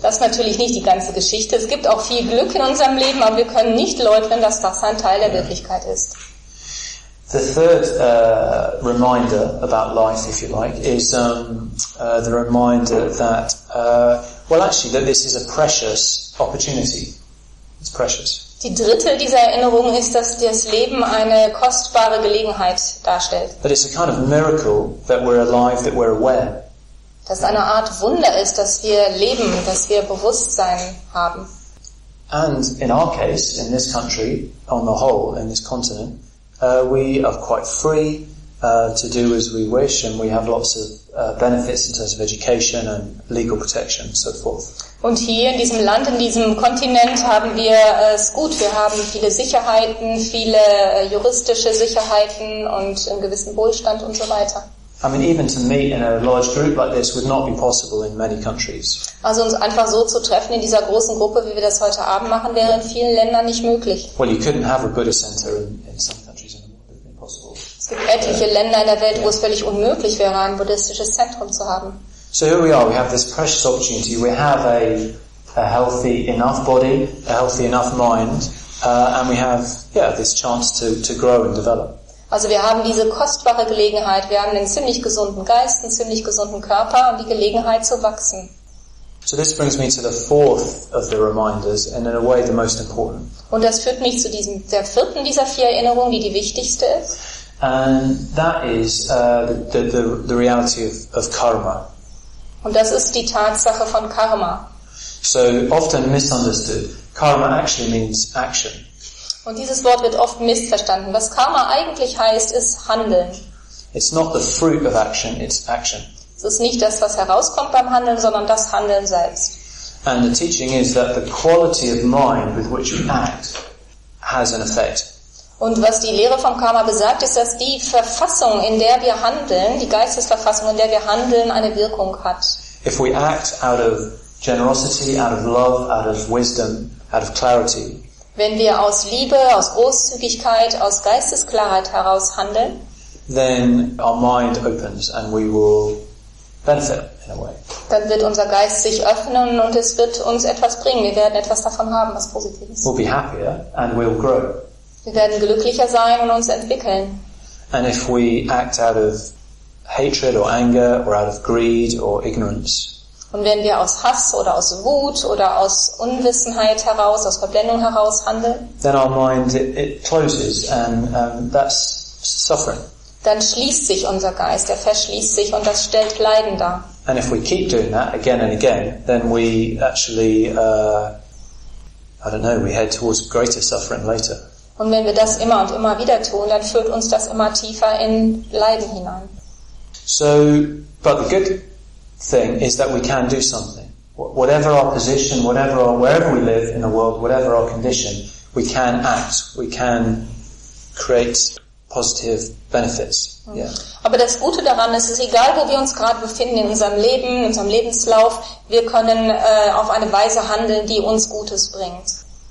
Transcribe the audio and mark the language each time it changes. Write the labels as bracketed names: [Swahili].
[German] Das ist natürlich nicht die ganze Geschichte. Es gibt auch viel Glück in unserem Leben, aber wir können nicht leugnen, dass das ein Teil der Wirklichkeit ist. [English] The third reminder about life, if you like, is the reminder that, that this is a precious opportunity. It's precious. [German] Die dritte dieser Erinnerung ist, dass das Leben eine kostbare Gelegenheit darstellt. [English] But it's a kind of miracle that we're alive, that we're aware. [German] Dass eine Art Wunder ist, dass wir leben, dass wir Bewusstsein haben. [English] And in our case, in this country, on the whole, in this continent, we are quite free to do as we wish, and we have lots of benefits in terms of education and legal protection and so forth. [German] Und hier in diesem Land, in diesem Kontinent, haben wir es gut. Wir haben viele Sicherheiten, viele juristische Sicherheiten und einen gewissen Wohlstand und so weiter. [English] I mean, even to meet in a large group like this would not be possible in many countries. [German] Also uns einfach so zu treffen in dieser großen Gruppe, wie wir das heute Abend machen, wäre in vielen Ländern nicht möglich. [English] Well, you couldn't have a Buddhist center in some countries, and it would be impossible. [German] Es gibt etliche Länder in der Welt, wo es völlig unmöglich wäre, ein buddhistisches Zentrum zu haben. [English] So here we are, we have this precious opportunity, we have a healthy enough body, a healthy enough mind, and we have this chance to grow and develop. [German] Also wir haben diese kostbare Gelegenheit, wir haben einen ziemlich gesunden Geist, einen ziemlich gesunden Körper und die Gelegenheit zu wachsen. [English] So this brings me to the fourth of the reminders, and in a way the most important. [German] Und das führt mich zu der vierten dieser vier Erinnerungen, die wichtigste ist. [English] And that is the reality of karma. [German] Und das ist die Tatsache von Karma. [English] So often misunderstood. Karma actually means action. [German] Und dieses Wort wird oft missverstanden. Was Karma eigentlich heißt, ist Handeln. [English] It's not the fruit of action, it's action. [German] Es ist nicht das, was herauskommt beim Handeln, sondern das Handeln selbst. [English] And the teaching is that the quality of mind with which we act has an effect. [German] Und was die Lehre vom Karma besagt, ist, dass die Verfassung, in der wir handeln, die Geistesverfassung, in der wir handeln, eine Wirkung hat. [English] If we act out of generosity, out of love, out of wisdom, out of clarity. [German] Wenn wir aus Liebe, aus Großzügigkeit, aus Geistesklarheit heraus handeln, [English] then our mind opens and we will benefit in a way. [German] Dann wird unser Geist sich öffnen und es wird uns etwas bringen. Wir werden etwas davon haben, was positiv ist. [English] We'll be happier and we'll grow. [German] Wir werden glücklicher sein und uns entwickeln. [English] And if we act out of hatred or anger or out of greed or ignorance. [German] Und wenn wir aus Hass oder aus Wut oder aus Unwissenheit heraus, aus Verblendung heraus handeln, [English] then our mind it closes and that's suffering. [German] Dann schließt sich unser Geist, er verschließt sich und das stellt Leiden dar. [English] And if we keep doing that again and again, then we actually we head towards greater suffering later. [German] Und wenn wir das immer und immer wieder tun, dann führt uns das immer tiefer in Leiden hinein. [English] So, but the good thing is that we can do something. Whatever our position, wherever we live in the world, whatever our condition, we can act, we can create positive benefits. Yeah. [German] Aber das Gute daran ist, es ist egal, wo wir uns gerade befinden in unserem Leben, in unserem Lebenslauf, wir können auf eine Weise handeln, die uns Gutes bringt.